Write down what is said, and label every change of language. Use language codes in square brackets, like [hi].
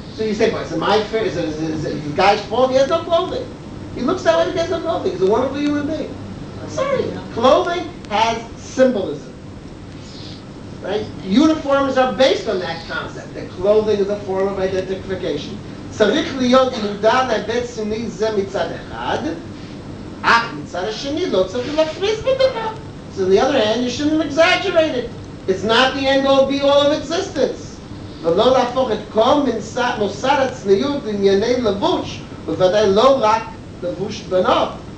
[en] So you say, well, is it the guy's fault? He has no clothing. He looks that way, he has no clothing. He's a wonderful human being. Sorry, clothing has symbolism. Right? Uniforms are based on that concept, that clothing is a form of identification. [he] צריך להיות מודע להיבט סמלי זה מצד אחד, אך מצד השני לא צריך להפריז בדבר. [en] So on the other hand, you shouldn't exaggerate it. It's not the end all be all of existence. [he] ולא להפוך את כל מוסד הצניות לענייני לבוש, ובוודאי לא רק לבוש בנות.